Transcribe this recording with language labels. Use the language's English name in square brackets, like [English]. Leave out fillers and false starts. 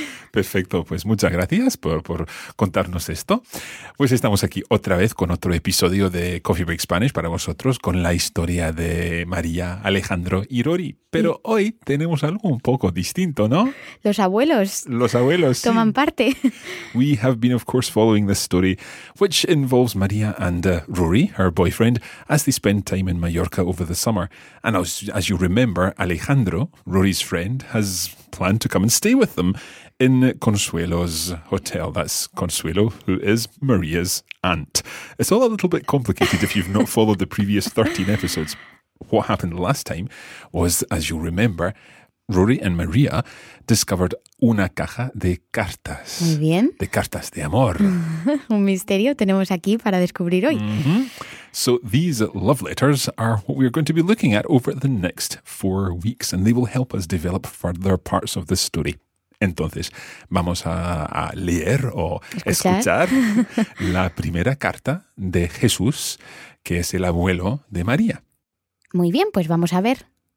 [Spanish] Perfecto, pues muchas gracias por contarnos esto. Pues estamos aquí otra vez con otro episodio de Coffee Break Spanish para vosotros con la historia de María, Alejandro y Rory. Pero hoy tenemos algo un poco distinto, ¿no? Los abuelos. Los abuelos, toman sí. parte. [English] We have been, of course, following the story, which involves María and Rory, her boyfriend, as they spend time in Mallorca over the summer. And as you remember, Alejandro, Rory's friend, has planned to come and stay with them in Consuelo's hotel. That's Consuelo, who is Maria's aunt. It's all a little bit complicated if you've not followed the previous 13 episodes. What happened last time was, as you remember, Rory and Maria discovered [Spanish] una caja de cartas. Muy bien. De cartas de amor. Un misterio tenemos aquí para descubrir hoy. [English] So these love letters are what we are going to be looking at over the next 4 weeks, and they will help us develop further parts of the story. [Spanish] Entonces, vamos a leer o escuchar la primera carta de Jesús, que es el abuelo de María. Muy bien, pues vamos a ver.